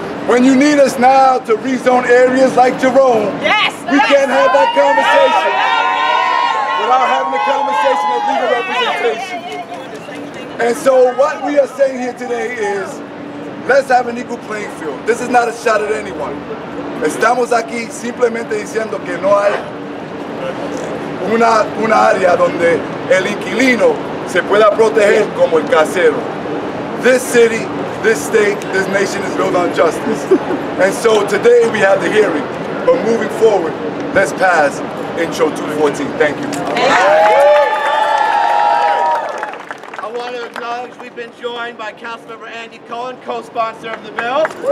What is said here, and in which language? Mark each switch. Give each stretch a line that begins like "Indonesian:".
English: When you need us now to rezone areas like Jerome, yes, we can't have that conversation without having a conversation of legal representation. And so what we are saying here today is, let's have an equal playing field. This is not a shot at anyone.
Spanish: Estamos aquí simplemente diciendo que no hay una área donde el inquilino se pueda proteger como el casero.
English: This city, this state, this nation is built on justice. And so today we have the hearing, but moving forward, let's pass Intro 214. Thank you. I want to acknowledge we've been joined by Councilmember Andy Cohen, co-sponsor of the bill.